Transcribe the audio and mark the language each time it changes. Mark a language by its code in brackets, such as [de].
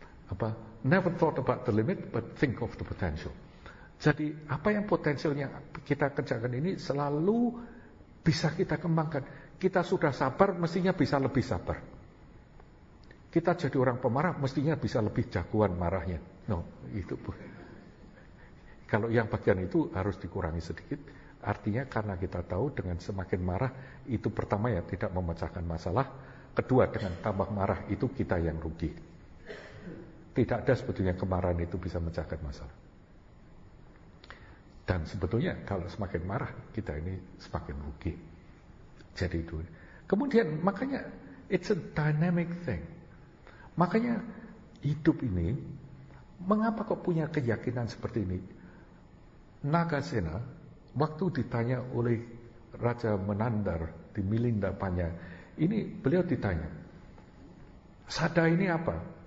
[en] Apa never thought about the limit but think of the potential. [id] Jadi apa yang potensialnya kita kerjakan ini selalu bisa kita kembangkan. Kita sudah sabar, mestinya bisa lebih sabar. Kita jadi orang pemarah, mestinya bisa lebih jagoan marahnya. No, itu kalau yang bagian itu harus dikurangi sedikit. Artinya karena kita tahu dengan semakin marah, itu pertama ya tidak memecahkan masalah. Kedua, dengan tambah marah itu kita yang rugi. Tidak ada sebetulnya kemarahan itu bisa memecahkan masalah. Dan sebetulnya kalau semakin marah, kita ini semakin rugi. Jadi itu. Kemudian makanya [en] it's a dynamic thing. [id] Makanya hidup ini mengapa kok punya keyakinan seperti ini? Nagasena waktu ditanya oleh Raja Menandar di Milinda Panya, ini beliau ditanya, sada ini apa?